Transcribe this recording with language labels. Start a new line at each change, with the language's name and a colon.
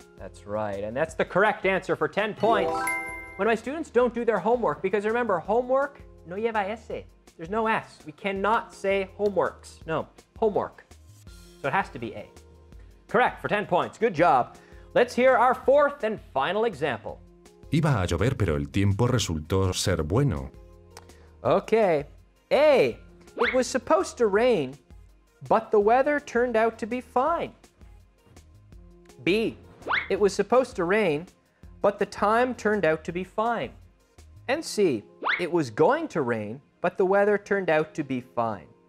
English: That's right, and that's the correct answer for 10 points. When my students don't do their homework, because remember, homework
Spanish: no lleva S.
English: There's no S. We cannot say homeworks. No, homework. So it has to be A. Correct, for 10 points. Good job. Let's hear our fourth and final example.
Spanish: Iba a llover, pero el tiempo resultó ser bueno.
English: Okay. A. It was supposed to rain, but the weather turned out to be fine. B. It was supposed to rain, but the time turned out to be fine. And C. It was going to rain, but the weather turned out to be fine.